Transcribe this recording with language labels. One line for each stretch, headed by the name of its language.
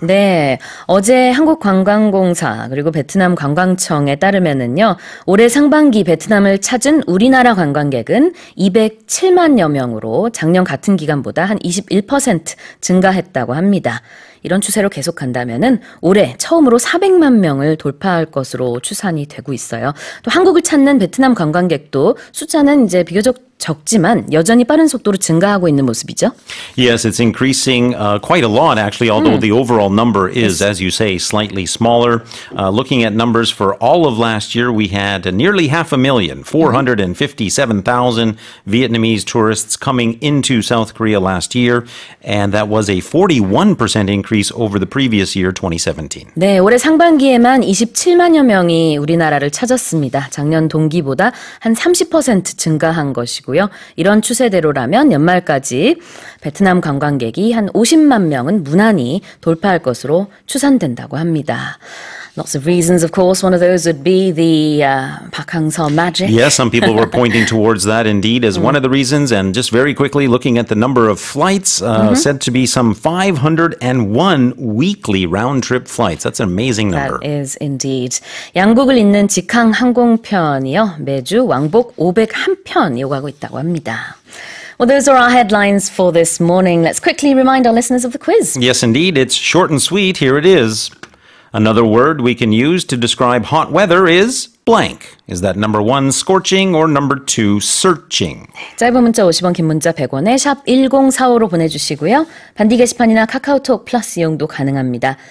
Korean: 네, 어제 한국관광공사 그리고 베트남 관광청에 따르면은요, 올해 상반기 베트남을 찾은 우리나라 관광객은 207만여 명으로 작년 같은 기간보다 한 21% 증가했다고 합니다. 이런 추세로 계속한다면은 올해 처음으로 400만 명을 돌파할 것으로 추산이 되고 있어요. 또 한국을 찾는 베트남 관광객도 숫자는 이제 비교적 적지만 여전히 빠른 속도로 증가하고 있는 모습이죠.
English: Yes, it's increasing quite a lot actually, although the overall number is, as you say, slightly smaller. Looking at numbers for all of last year, we had nearly half a million, 457,000 Vietnamese tourists coming into South Korea last year, and that was a 41% increase over the previous year, 2017.
Korean: 네, 올해 상반기에만 27만여 명이 우리나라를 찾았습니다. 작년 동기보다 한 30% 증가한 것이고 이런 추세대로라면 연말까지 베트남 관광객이 한 50만 명은 무난히 돌파할 것으로 추산된다고 합니다.
English: Lots of reasons, of course. One of those would be the Park Hang-seo magic. Yes, some people were pointing towards that indeed as one of the reasons. And just very quickly, looking at the number of flights, said to be some 501 weekly round-trip flights. That's an amazing number. That is indeed.
Korean: 양국을 잇는 직항 항공편이요. 매주 왕복 501편 이용하고 있다고 합니다.
English: Well, those are our headlines for this morning. Let's quickly remind our listeners of the quiz. Yes, indeed. It's short and sweet. Here it is. Another word we can use to describe hot weather is blank. Is that number one, scorching, or number two, searching?
Korean: 짧은 문자 50원, 긴 문자 100원에 샵 1045로 보내주시고요. 반디 게시판이나 카카오톡 플러스 이용도 가능합니다.